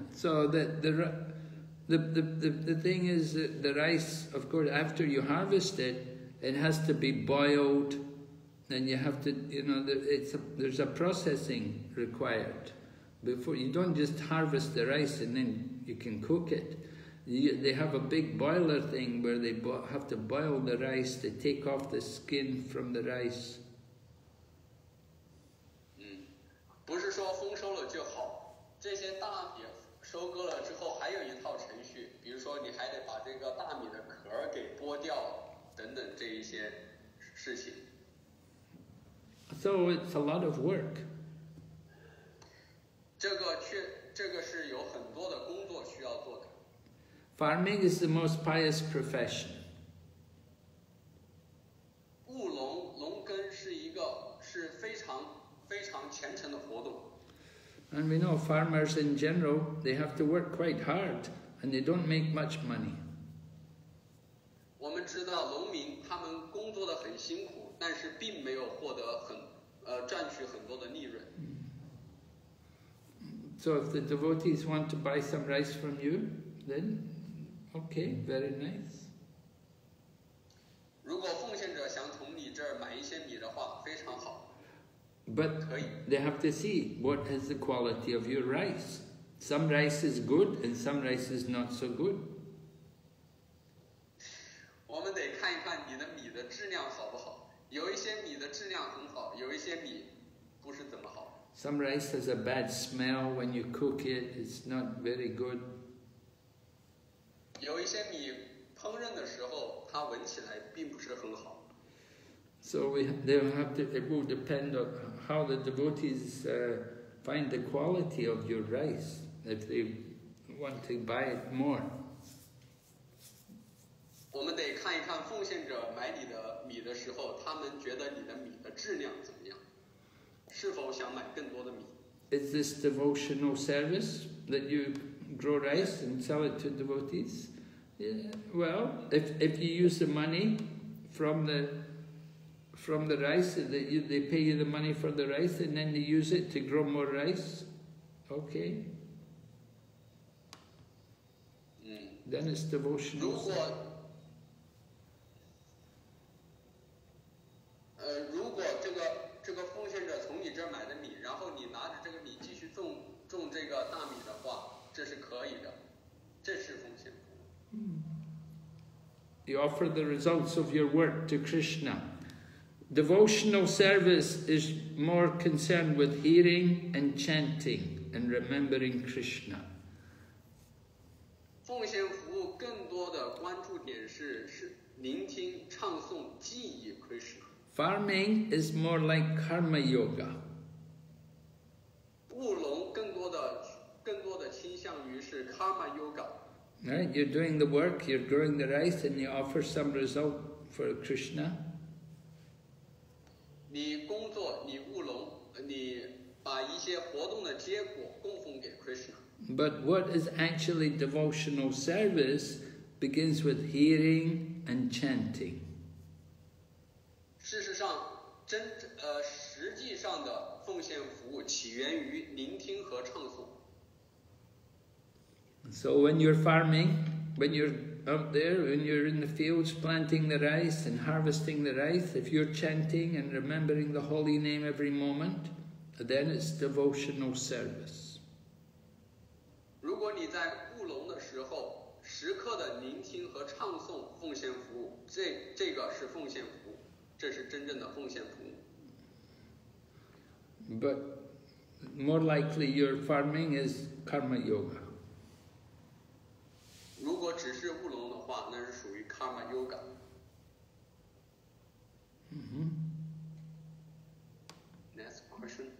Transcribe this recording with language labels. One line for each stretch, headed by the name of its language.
English: So the thing is the rice, of course, after you harvest it, it has to be boiled, and you have to, you know, there's a processing required. Before, you don't just harvest the rice and then you can cook it. They have a big boiler thing where they have to boil the rice to take off the skin from the rice.
Chinese: 嗯，不是说丰收了就好，这些大米收割了之后还有一套程序，比如说你还得把这个大米的壳给剥掉等等这一些事情。
English: So it's a lot of work.
Chinese: 这个是有很多的工作需要做的。
English: Farming is the most pious profession.
Chinese: 务农，农耕是一个是非常非常虔诚的活动。
English: And we know farmers in general, they have to work quite hard, and they don't make much money.
Chinese: 我们知道农民他们工作得很辛苦，但是并没有获得很赚取很多的利润。
English: So if the devotees want to buy some rice from you, then okay, very nice.
Chinese: 如果奉献者想从你这儿买一些米的话，非常好。
English: But they have to see what is the quality of your rice. Some rice is good and some rice is not so good.
Chinese: 我们得看一看你的米的质量好不好。有一些米的质量很好，有一些米不是怎么好。
English: Some rice has a bad smell when you cook it, it's not very good.
Chinese: 有一些米烹饪的时候它闻起来并不是很好。
English: So it will depend on how the devotees find the quality of your rice, if they want to buy it more.
Chinese: 我们得看一看奉献者买你的米的时候，他们觉得你的米的质量怎么样，是否想买更多的米。
English: Is this devotional service that you grow rice and sell it to devotees? Yeah. Well, if you use the money from the rice, they pay you the money for the rice and then they use it to grow more rice, okay. Then it's devotional.
Chinese: 如果这个奉献者从你这儿买的米，然后你拿着这个米继续种这个大米的话，这是可以的，这是奉献。
English: You offer the results of your work to Krishna. Devotional service is more concerned with hearing and chanting and remembering Krishna.
Chinese: 奉献服务更多的关注点是聆听、唱诵、记忆 Krishna.
English: Farming is more like karma yoga.
Chinese: 务农更多的倾向于是
English: karma yoga. Right, you're doing the work, you're growing the rice, and you offer some result for Krishna.
Chinese: 你工作，你务农，你把一些活动的结果供奉给 Krishna。
English: But what is actually devotional service begins with hearing and chanting.
Chinese: 事实上，实际上的奉献服务起源于聆听和唱诵。
English: So when you're farming, when you're up there, when you're in the fields planting the rice and harvesting the rice, if you're chanting and remembering the holy name every moment, then it's devotional service.
Chinese: 如果你在务农的时候，时刻的聆听和唱诵奉献服务，这个是奉献服务，这是真正的奉献服务。
English: But more likely your farming is karma yoga.
Chinese: 如果只是务农，那是属于
English: karma yoga。 Next question.